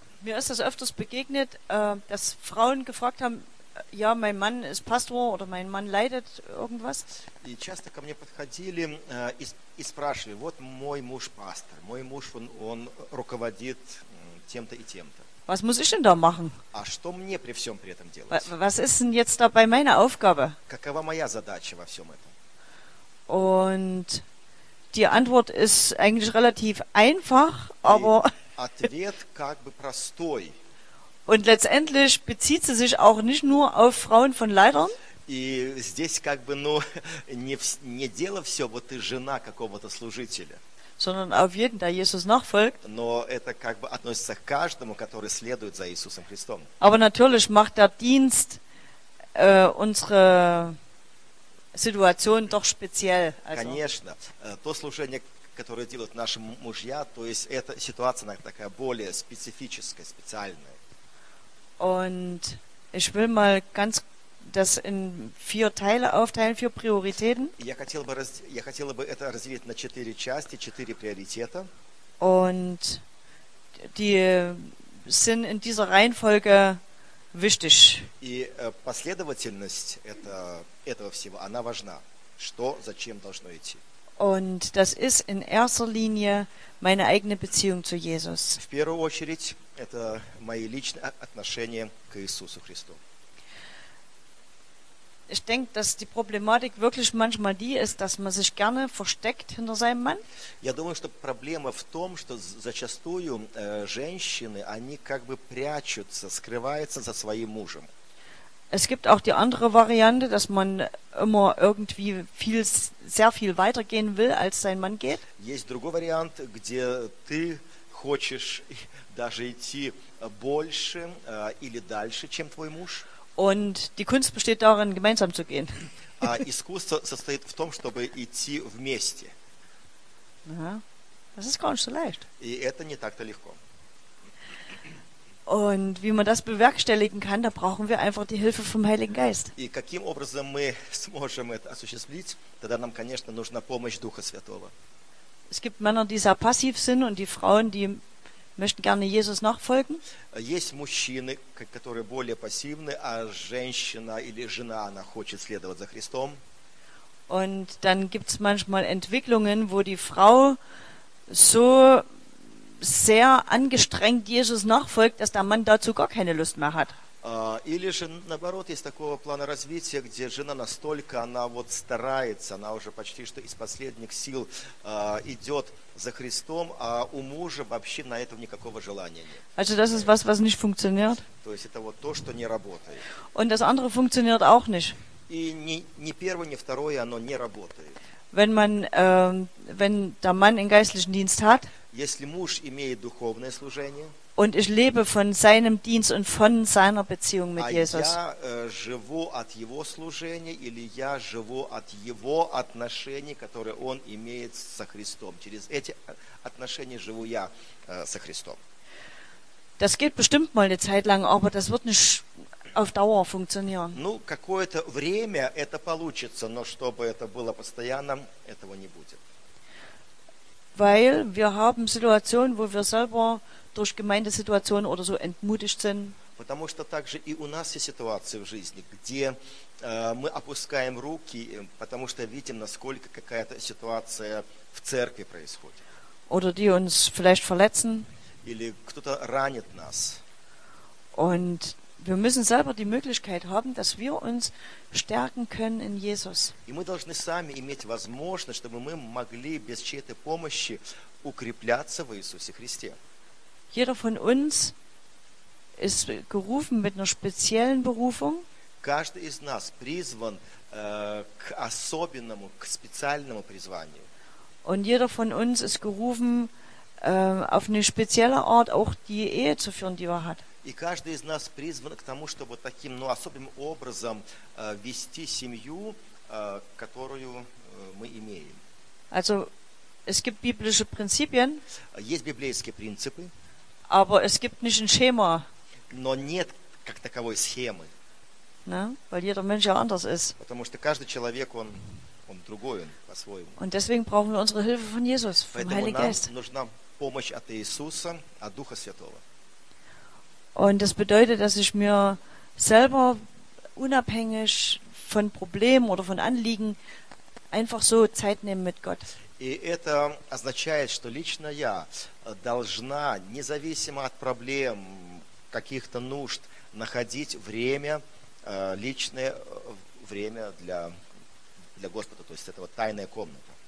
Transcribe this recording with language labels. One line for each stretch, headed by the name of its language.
German: Mir ist das öfters begegnet, dass Frauen gefragt haben, ja, mein Mann ist Pastor oder mein Mann leidet irgendwas.
Russian: И часто ко мне подходили и спрашивали, вот мой муж пастор, мой муж, он руководит тем-то и тем-то.
German: Was muss ich denn da machen?
Russian: А что мне при всем при этом делать?
German: Was ist denn jetzt dabei meine Aufgabe?
Russian: Какова моя задача во всем этом?
German: Und die Antwort ist eigentlich relativ einfach, aber...
Russian: Ответ как бы простой.
German: Und letztendlich bezieht sie sich auch nicht nur auf Frauen von Leitern.
Russian: И здесь как бы, ну, не дело все, вот ты жена какого-то служителя.
German: Sondern auf jeden, der Jesus nachfolgt.
Russian: Но это как бы относится к каждому, который следует за Иисусом Христом.
German: Aber natürlich macht der Dienst unsere Situation doch speziell. Also.
Russian: Конечно, то служение, которое делают наши мужья, то есть эта ситуация такая более специфическая, специальная.
German: Und ich will mal ganz das in vier Teile aufteilen, vier Prioritäten.
Russian: Я хотел бы это разделить на четыре части, четыре приоритета.
German: Und die sind in dieser Reihenfolge wichtig.
Russian: И последовательность этого всего, она важна. Что, зачем должно идти?
German: Und das ist in erster Linie meine eigene Beziehung zu Jesus.
Russian: В первую очередь, это мои личные отношения к Иисусу Христу.
German: Ich denke, dass die Problematik wirklich manchmal die ist, dass man sich gerne versteckt hinter seinem Mann.
Russian: Я думаю, что проблема в том, что зачастую женщины, они как бы прячутся, скрываются за своим мужем.
German: Es gibt auch die andere Variante, dass man immer irgendwie viel, sehr viel weitergehen will, als sein Mann geht.
Russian: Есть другой вариант, где ты хочешь даже идти больше или дальше, чем твой муж.
German: Und die Kunst besteht darin, gemeinsam zu gehen.
Russian: А искусство состоит в том, чтобы идти вместе.
German: Das ist gar nicht so leicht.
Russian: И это не так-то легко.
German: Und wie man das bewerkstelligen kann, da brauchen wir einfach die Hilfe vom Heiligen Geist.
Russian: И каким образом мы сможем это осуществить, тогда нам, конечно, нужна помощь Духа Святого.
German: Es gibt Männer, die sehr passiv sind, und die Frauen, die möchten gerne Jesus nachfolgen.
Russian: Есть мужчины, которые более пассивны, а женщина или жена, она хочет следовать за Христом.
German: Und dann gibt es manchmal Entwicklungen, wo die Frau so sehr angestrengt Jesus nachfolgt, dass der Mann dazu gar keine Lust mehr hat.
Russian: Или же наоборот, есть такого плана развития, где жена настолько, она вот старается, она уже почти что из последних сил идет за Христом, а у мужа вообще на этом никакого желания нет.
German: Also das ist was nicht funktioniert.
Russian: То есть это вот то, что не работает.
German: Und das andere funktioniert auch nicht.
Russian: И ни первое, ни второе, оно не работает.
German: Wenn man, wenn der Mann einen geistlichen Dienst hat,
Russian: если муж имеет духовное служение,
German: und ich lebe von seinem Dienst und von seiner Beziehung mit Jesus.
Russian: Я живу от его служения или я живу от его отношений, которые он имеет со Христом. Через эти отношения живу я со Христом.
German: Das geht bestimmt mal eine Zeit lang, aber das wird nicht auf Dauer funktionieren.
Russian: Ну, какое-то время это получится, но чтобы это было постоянным, этого не будет.
German: Weil wir haben Situationen, wo wir selber durch Gemeindesituationen oder so entmutigt sind.
Russian: Потому что также и у нас есть ситуации в жизни, где мы опускаем руки, потому что видим, насколько какая-то ситуация в церкви происходит.
German: Oder die uns vielleicht verletzen.
Russian: Или кто-то ранит нас.
German: Und wir müssen selber die Möglichkeit haben, dass wir uns stärken können in Jesus.
Russian: И мы должны сами иметь возможность, чтобы мы могли без чьей-то помощи укрепляться в Иисусе Христе.
German: Jeder von uns ist gerufen mit einer speziellen Berufung.
Russian: Каждый из нас призван к особенному, к специальному призванию.
German: Und jeder von uns ist gerufen auf eine spezielle Art auch die Ehe zu führen, die er hat.
Russian: И каждый из нас призван к тому, чтобы таким, ну, особым образом вести семью, которую мы имеем.
German: Also, es gibt biblische Prinzipien,
Russian: есть библейские принципы,
German: aber es gibt nicht ein Schema.
Russian: Но нет как таковой схемы.
German: Ne? Weil jeder Mensch ja anders ist.
Russian: Потому что каждый человек, он другой, он по-своему.
German: Und deswegen brauchen wir unsere Hilfe von Jesus, vom
Russian: Поэтому
German: Heiligen
Russian: нам
German: Geist.
Russian: Нужна помощь от Иисуса, от Духа Святого.
German: Und das bedeutet, dass ich mir selber unabhängig von Problemen oder von Anliegen einfach so Zeit nehmen mit Gott.
Russian: И это означает, что лично я должна, независимо от проблем, каких-то нужд, находить время, личное время для Господа, то есть этого тайная комната.